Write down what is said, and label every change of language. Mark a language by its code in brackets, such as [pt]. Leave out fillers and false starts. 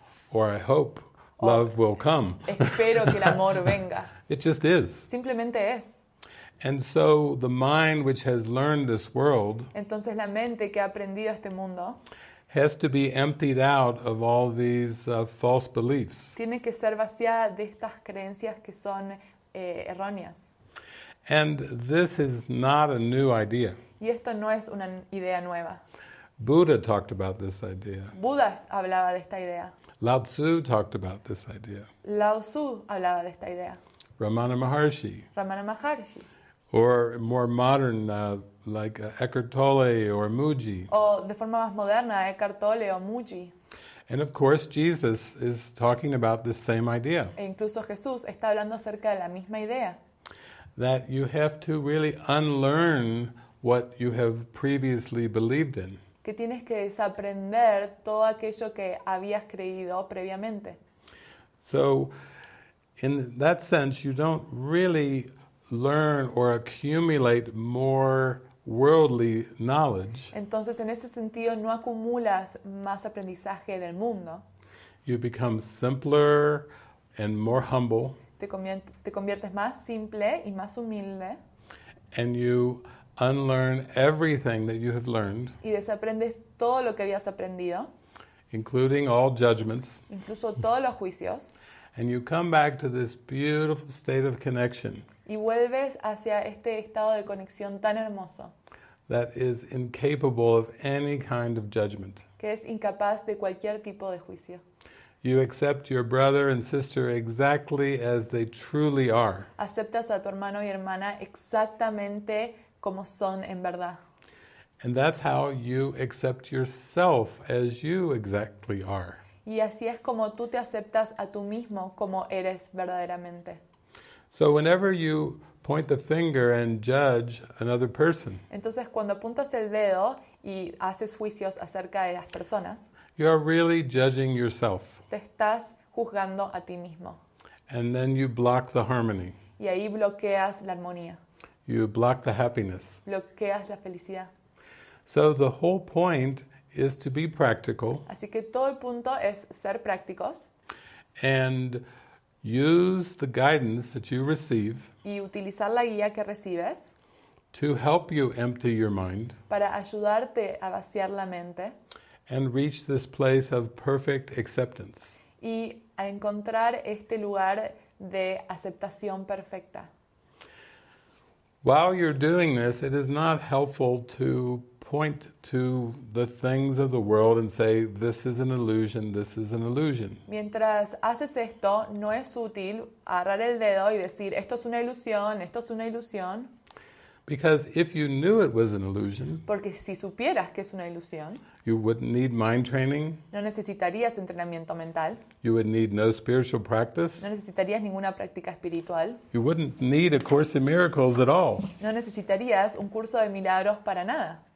[en] Or I hope love will come. [es] Espero que el amor venga. [en] It just is. [es] Simplemente es. [en] And so the mind which has learned this world, [es] entonces la mente que ha aprendido este mundo, [en] has to be emptied out of all these false beliefs. [es] Tiene que ser vaciada de estas creencias que son erróneas. [en] And this is not a new idea. [es] Y esto no es una idea nueva. [en] Buddha talked about this idea. [es] Buda hablaba de esta idea. [en] Lao Tzu talked about this idea. [es] Lao Tzu hablaba de esta idea. [en] Ramana Maharshi. Or more modern, like Eckhart Tolle or Muji. [es] O de forma más moderna, Eckhart Tolle o Muji. [en] And of course, Jesus is talking about the same idea. [es] E incluso Jesús está hablando acerca de la misma idea. [en] That you have to really unlearn what you have previously believed in. [es] Que tienes que desaprender todo aquello que habías creído previamente. [en] So, in that sense, you don't really learn or accumulate more worldly knowledge. [es] Entonces, en ese sentido, no acumulas más aprendizaje del mundo. [en] You become simpler and more humble. [es] Te conviertes más simple y más humilde. [en] And you unlearn everything that you have learned. [es] Y desaprendes todo lo que habías aprendido. [en] Including all judgments. [es] Incluso todos los juicios. [en] And you come back to this beautiful state of connection. [es] Y vuelves hacia este estado de conexión tan hermoso. [en] That is incapable of any kind of judgment. [es] Que es incapaz de cualquier tipo de juicio. [en] You accept your brother and sister exactly as they truly are. [es] Aceptas a tu hermano y hermana exactamente como son en verdad. [en] And that's how you accept yourself as you exactly are. [es] Y así es como tú te aceptas a tú mismo como eres verdaderamente. [en] So whenever you point the finger and judge another person, [es] entonces cuando apuntas el dedo y haces juicios acerca de las personas, [en] you are really judging yourself. [es] Te estás juzgando a ti mismo. [en] And then you block the harmony. [es] Y ahí bloqueas la armonía. [en] You block the happiness. [es] Bloqueas la felicidad. [en] So the whole point is to be practical. [es] Así que todo el punto es ser prácticos. [en] And use the guidance that you receive. [es] Y utilizar la guía que recibes. [en] To help you empty your mind. [es] Para ayudarte a vaciar la mente. [en] And reach this place of perfect acceptance. [es] Y a encontrar este lugar de aceptación perfecta. [en] While you're doing this, it is not helpful to point to the things of the world and say, this is an illusion, this is an illusion. [es] Mientras haces esto, no es útil agarrar el dedo y decir, esto es una ilusión, esto es una ilusión. [en] Because if you knew it was an illusion, [es] porque si supieras que es una ilusión, [en] you wouldn't need mind training. [es] No necesitarías entrenamiento mental. [en] You would need no spiritual practice. [es] No necesitarías ninguna práctica espiritual. [en] You wouldn't need a course in miracles at all. [es] No necesitarías un curso de milagros para nada.